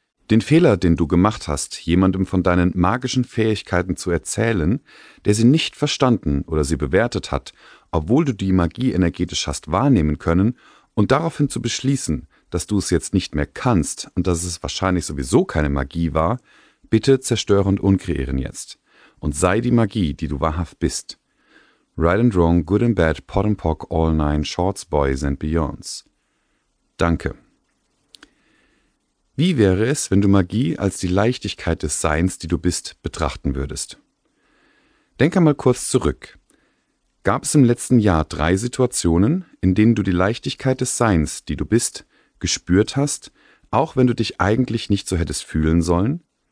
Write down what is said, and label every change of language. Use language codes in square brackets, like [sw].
[de] Den Fehler, den du gemacht hast, jemandem von deinen magischen Fähigkeiten zu erzählen, der sie nicht verstanden oder sie bewertet hat, obwohl du die Magie energetisch hast wahrnehmen können, und daraufhin zu beschließen, dass du es jetzt nicht mehr kannst und dass es wahrscheinlich sowieso keine Magie war, bitte zerstöre und unkreieren jetzt. Und sei die Magie, die du wahrhaft bist. [en] Right and wrong, good and bad, pot and pock, all nine, shorts, boys and beyonds. [de] Danke. Wie wäre es, wenn du Magie als die Leichtigkeit des Seins, die du bist, betrachten würdest? Denk einmal kurz zurück. Gab es im letzten Jahr drei Situationen, in denen du die Leichtigkeit des Seins, die du bist, gespürt hast, auch wenn du dich eigentlich nicht so hättest fühlen sollen?